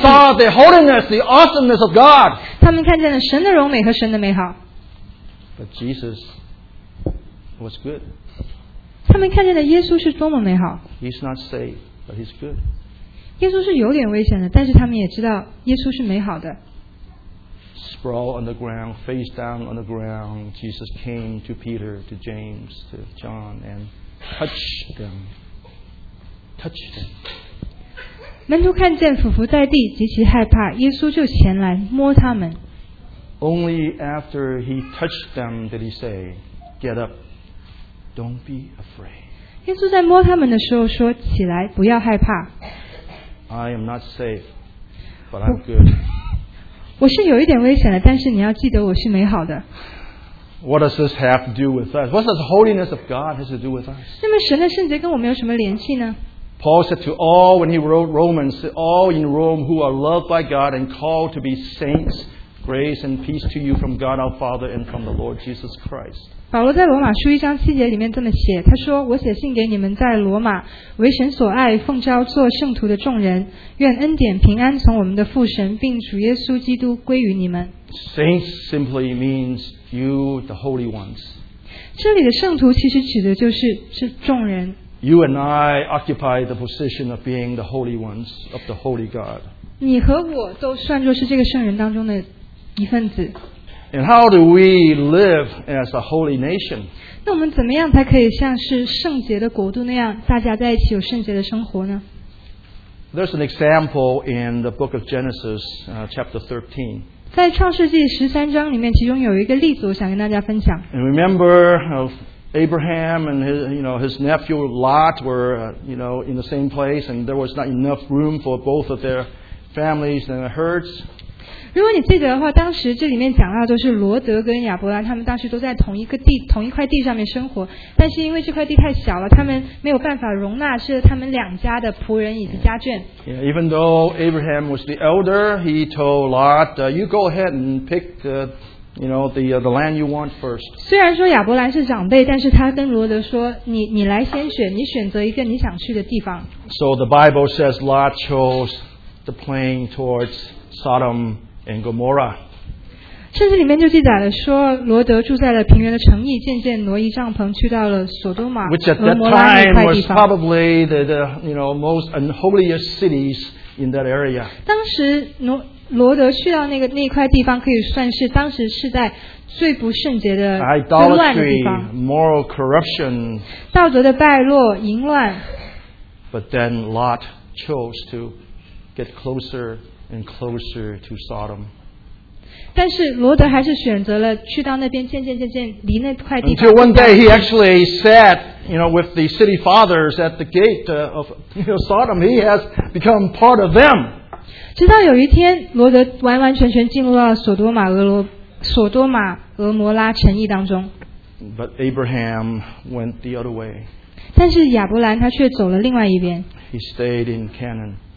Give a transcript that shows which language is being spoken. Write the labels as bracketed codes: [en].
[en] They saw the holiness, the awesomeness of God. [zh] 他们看见了神的荣美和神的美好。 [en] But Jesus was good. [zh] 他们看见的耶稣是多么美好。 [en] He's not safe, but He's good. [zh] 耶稣是有点危险的，但是他们也知道耶稣是美好的。 [en] Sprawled on the ground, face down on the ground, Jesus came to Peter, to James, to John, and touched them. Touched them. [zh] 门徒看见俯伏在地，极其害怕，耶稣就前来摸他们。 [en] Only after he touched them did he say, "Get up, don't be afraid." [zh] 耶稣在摸他们的时候说：“起来，不要害怕。” [en] I am not safe, but I'm good. [zh] 我是有一点危险的，但是你要记得我是美好的。 [en] What does this have to do with us? What does the holiness of God has to do with us? [zh] 那么神的圣洁跟我们有什么联系呢？ [en] Paul said to all, when he wrote Romans, all in Rome who are loved by God and called to be saints, grace and peace to you from God our Father and from the Lord Jesus Christ. [zh] 保罗在罗马书一章七节里面这么写，他说：“我写信给你们在罗马为神所爱、奉召做圣徒的众人，愿恩典平安从我们的父神并主耶稣基督归于你们。” [en] Saints simply means you, the holy ones. [zh] 这里的圣徒其实指的就是众人。 [en] You and I occupy the position of being the holy ones of the holy God. [zh] 你和我都算作是这个圣人当中的一份子。 [en] And how do we live as a holy nation? [zh] 那我们怎么样才可以像是圣洁的国度那样，大家在一起有圣洁的生活呢？ [en] There's an example in the book of Genesis, chapter 13. [zh] 在创世纪十三章里面，其中有一个例子，我想跟大家分享。 [en] And remember of Abraham and his, you know, his nephew Lot were, you know, in the same place, and there was not enough room for both of their families and their herds. [zh] 如果你记得的话，当时这里面讲到就是罗德跟亚伯兰，他们当时都在同一个地、同一块地上面生活，但是因为这块地太小了，他们没有办法容纳是他们两家的仆人以及家眷。 [en] Yeah, even though Abraham was the elder, he told Lot, "You go ahead and pick the, you know, the land you want first." [zh] 虽然说亚伯兰是长辈，但是他跟罗德说，你来先选，你选择一个你想去的地方。 [en] So the Bible says Lot chose the plain towards Sodom. And Gomorrah. [zh] 圣经里面就记载了说，罗德住在了平原的城邑，渐渐挪移帐篷，去到了索多玛、俄摩拉那块地方。 [en] Which at that time was probably the you know most unholiest cities in that area. [zh] 当时罗德去到那块地方，可以算是当时是在最不圣洁的、最乱的地方。 [en] Idolatry, moral corruption. [zh] 道德的败落、淫乱。 [en] But then Lot chose to get closer. And closer to Sodom. [zh] 但是罗德还是选择了去到那边，渐渐离那块地方。 [en] Until one day he actually sat, you know, with the city fathers at the gate of you know, Sodom. He has become part of them. [zh] 直到有一天，罗德完完全全进入到索多玛、俄摩拉城邑当中。 [en] But Abraham went the other way. [zh] 但是亚伯兰他却走了另外一边。 [en] He stayed in Canaan.